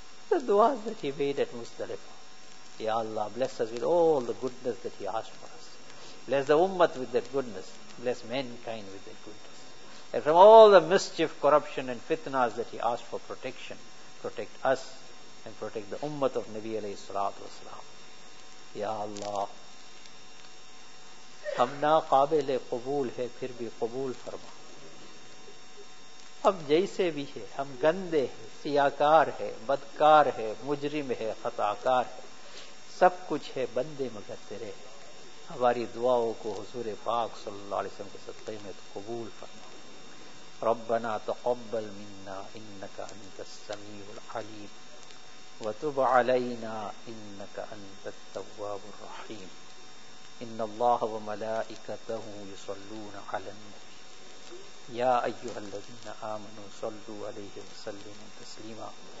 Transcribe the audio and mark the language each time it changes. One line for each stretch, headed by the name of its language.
English: The du'as that he made at Muzdalifah, Ya Allah, bless us with all the goodness that he asked for us. Bless the Ummah with that goodness. Bless mankind with that goodness. And from all the mischief, corruption and fitnas that he asked for protection, protect us and protect the Ummah of Nabi alayhi salatu wasalam.
Urdu: Ya Allah, ہم نا قابل قبول ہے پھر بھی قبول فرما. ہم جیسے بھی ہے, ہم گندے ہیں, سیاکار ہے, بدکار ہے, مجرم ہے, خطاکار ہے, سب کچھ ہے بندے مگر تیرے. ہماری دعاؤں کو حضور پاک صلی اللہ علیہ وسلم کے صدقے میں قبول فرما.
Arabic: ربنا تقبل منا انك انت السميع العليم وتب علينا انك انت التواب الرحيم. إن الله وملائكته يصلون على النبي يا أيها الذين آمنوا صلوا عليه وسلموا تسليما.